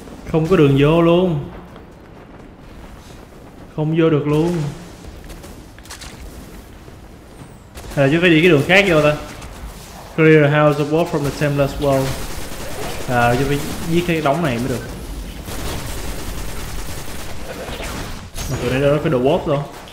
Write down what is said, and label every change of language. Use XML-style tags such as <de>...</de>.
<vi>Không có đường vô luôn. Không vô được luôn. Hay là chúng phải đi cái đường khác vô ta.</vi> <en>Clear the house of war from the Templar's world.</en> <vi>À, chúng phải giết cái đống này mới được. Mà tụi này đâu có cái đồ warp đâu.</vi>